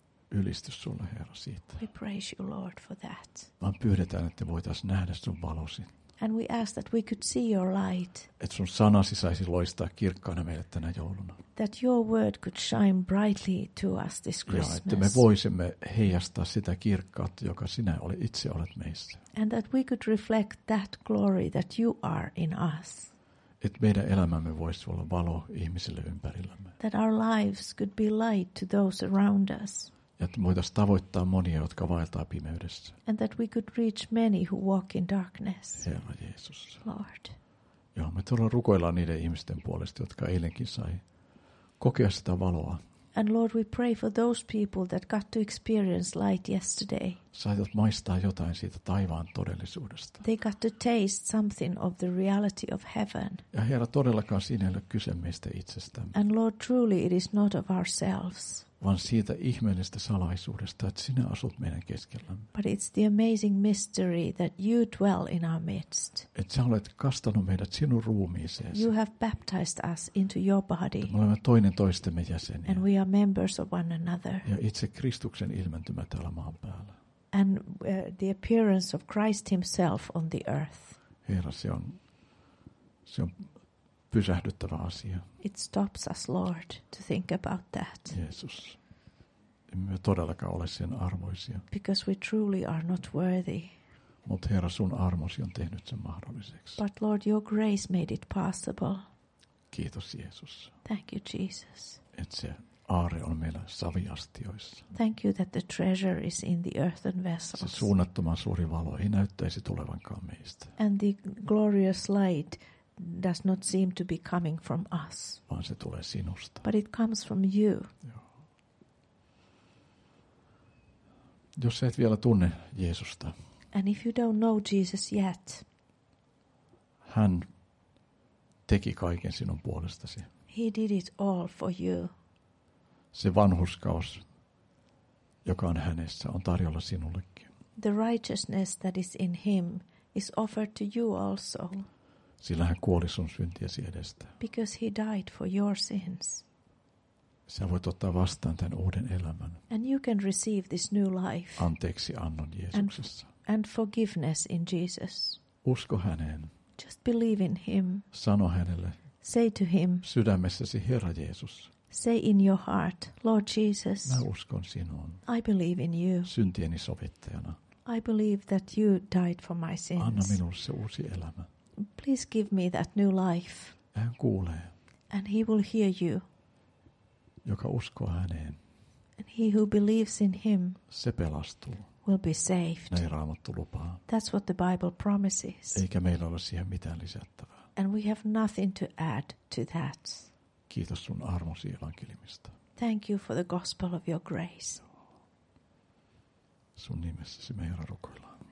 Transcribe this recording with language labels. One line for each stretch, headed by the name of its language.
Finnish: Ylistys sulle, Herra, siitä.
English: We praise you, Lord, for that.
Finnish: Vaan pyydetään, että voitaisiin nähdä sun valosi.
English: And we ask that we could see your light.
Finnish: Et sun sanasi saisi loistaa kirkkaana meille tänä jouluna.
English: That your word could shine brightly to us this Christmas.
Finnish: Ja että me voisimme heijastaa sitä kirkkautta, joka sinä itse olet meissä.
English: And that we could reflect that glory that you are in us.
Finnish: Et meidän elämämme voisi olla valo ihmisille ympärillämme.
English: That our lives could be light to those around us.
Finnish: Ja että voitaisiin tavoittaa monia, jotka vaeltaa pimeydessä.
English: And that we could reach many who walk in darkness.
Finnish: Herra Jeesus.
English: Lord.
Finnish: Joo, me todella rukoillaan niiden ihmisten puolesta, jotka eilenkin sai kokea sitä valoa.
English: And Lord, we pray for those people that got to experience light yesterday.
Finnish: Saivat maistaa jotain siitä taivaan todellisuudesta.
English: They got to taste something of the reality of heaven.
Finnish: Ja Herra, todellakaan siinä ei ole kyse meistä itsestämme.
English: And Lord, truly it is not of ourselves.
Finnish: Vaan siitä ihmeellistä salaisuudesta, että sinä asut meidän keskellämme.
English: But it's the amazing mystery that you dwell in our midst.
Finnish: Et sä olet kastanut meidät sinun ruumiiseesi.
English: You have baptized us into your body.
Finnish: Me olemme toinen toistemme jäseniä.
English: And we are members of one another.
Finnish: Ja itse Kristuksen ilmentymä täällä maan päällä.
English: And the appearance of Christ himself on the earth.
Finnish: Herra, se on pysähdyttävä asia.
English: It stops us, Lord, to think about that.
Finnish: Jeesus, emme todellakaan ole sen arvoisia.
English: Because we truly are not worthy.
Finnish: Mut Herra, sun armosi on tehnyt sen mahdolliseksi.
English: But Lord, your grace made it possible.
Finnish: Kiitos, Jeesus.
English: Thank you, Jesus.
Finnish: Et se aare on meillä saviastioissa.
English: Thank you that the treasure is in the earthen vessels.
Finnish: Se suunnattoman suuri valo ei näyttäisi tulevankaan meistä.
English: And the glorious light does not seem to be coming from us.
Finnish: Vaan se tulee sinusta.
English: But it comes from you.
Finnish: Jos et vielä tunne Jeesusta.
English: And if you don't know Jesus yet.
Finnish: Hän teki kaiken sinun puolestasi.
English: He did it all for you.
Finnish: Se vanhurskaus, joka on hänessä, on tarjolla sinullekin.
English: The righteousness that is in him is offered to you also.
Finnish: Sillä hän kuoli sun syntiäsi edestä.
English: Because he died for your sins.
Finnish: Sä voit ottaa vastaan tämän uuden elämän.
English: And you can receive this new life.
Finnish: Anteeksi annon Jeesuksessa.
English: And forgiveness in Jesus.
Finnish: Usko häneen.
English: Just believe in him.
Finnish: Sano hänelle.
English: Say to him.
Finnish: Sydämessäsi Herra Jeesus.
English: Say in your heart, Lord Jesus.
Finnish: Mä uskon sinuun.
English: I believe in you.
Finnish: Syntieni sovittajana.
English: I believe that you died for my sins.
Finnish: Anna minulle se uusi elämä.
English: Please give me that new life.
Finnish: Hän kuulee.
English: And he will hear you.
Finnish: Joka uskoo häneen.
English: And he who believes in him.
Finnish: Se pelastuu.
English: Will be saved.
Finnish: Näin Raamattu lupaa.
English: That's what the Bible promises.
Finnish: Eikä meillä ole siihen mitään lisättävää.
English: And we have nothing to add to that.
Finnish: Kiitos sun armosi evankeliumista.
English: Thank you for the gospel of your grace.
Finnish: Sun nimessäsi me, Herra, rukoillaan.